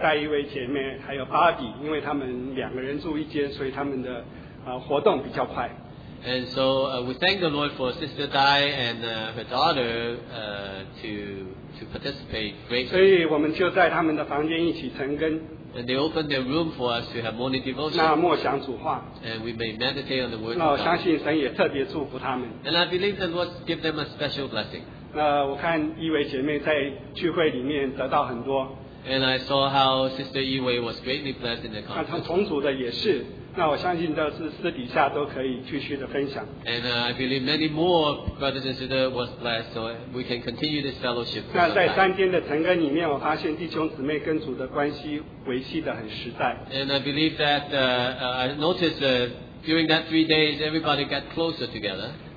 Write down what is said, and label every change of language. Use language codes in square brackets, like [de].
[zh] 那感谢神就是让戴一位姐妹还有巴比, 因为他们两个人住一间所以他们的 活动比较快, [en] and so we thank the Lord for Sister Dai and her daughter to participate greatly. [zh] 所以我们就在他们的房间一起晨更, [en] and they opened their room for us to have morning devotion. [zh] 那默想主话, [en] and we may meditate on the word. [zh] 那我相信神也特别祝福他们, [en] and I believe the Lord give them a special blessing. [zh] 那我看一位姐妹在聚会里面得到很多, [en] and I saw how Sister Yiwei was greatly blessed in the conference. [zh] 那从组的也是, 那我相信这是私底下都可以继续的分享, [en] and I believe many more brothers and sisters was blessed, so we can continue this fellowship. [zh] 那在三天的晨更里面, 我发现弟兄姊妹跟主的关系维系得很实在, [en] and I believe that I noticed during that 3 days everybody got closer together.